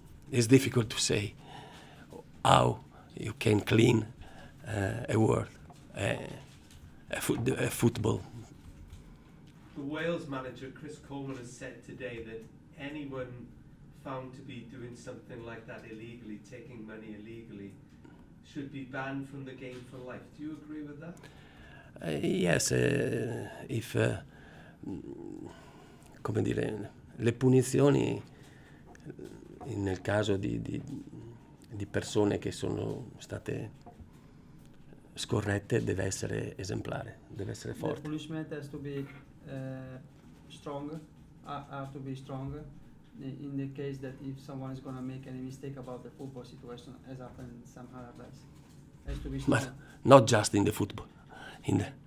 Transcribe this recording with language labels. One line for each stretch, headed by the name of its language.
English: It's difficult to say how you can clean a world, a football. The Wales manager, Chris Coleman, has said today that anyone found to be doing something like that illegally, taking money illegally, should be banned from the game for life. Do you agree with that? Yes, if
Italian: come dire le punizioni nel caso di persone che sono state scorrette deve essere esemplare, deve essere forte. The punishment has to be strong, have to be strong in the case that if someone is going to make any mistake about the football situation, as happened some other place, has to be strong. But not just in the football, in the.